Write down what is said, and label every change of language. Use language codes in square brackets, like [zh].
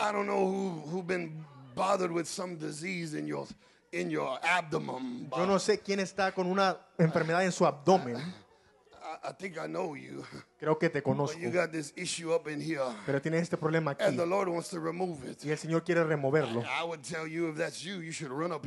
[en] I don't know who been bothered with some disease in your in your abdomen. [es] Yo no sé quién está con una enfermedad en su abdomen. [en] I think I know you. [es] Creo que te conozco. [en] But you got this issue up in here. [es] Pero tienes este problema aquí. [en] And the Lord wants to remove it. [es] Y el Señor quiere removerlo. [en] I would tell you if that's you, you should run up.